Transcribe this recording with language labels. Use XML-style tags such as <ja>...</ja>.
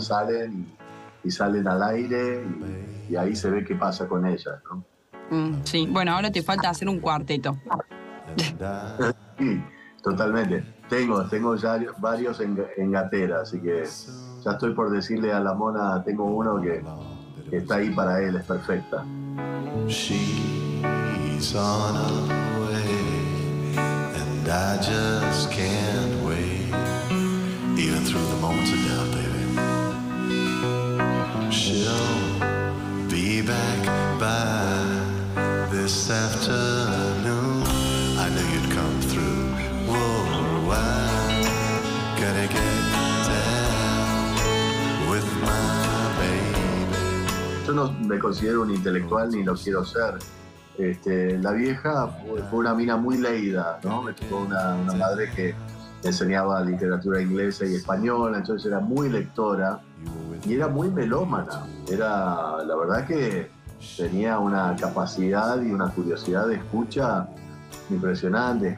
<es>Salen y salen al aire y ahí se ve qué pasa con ellas, ¿no? Sí, bueno, ahora te falta hacer un cuarteto. Sí, totalmente. Tengo ya varios en gatera, así que ya estoy por decirle a la Mona, tengo uno que está ahí para él, es perfecta.</es> <en>She's on her way and I just can't wait, even through the moments of doubt, baby. She'll be back by this afternoon. I knew you'd come through. Whoa, I'm gonna get down with my baby.</en> <es>Yo no me considero un intelectual ni lo quiero ser. La vieja fue una mina muy leída, ¿no? Me tocó una madre que enseñaba literatura inglesa y española, entonces era muy lectora y era muy melómana. Era, la verdad que tenía una capacidad y una curiosidad de escucha impresionante.</es>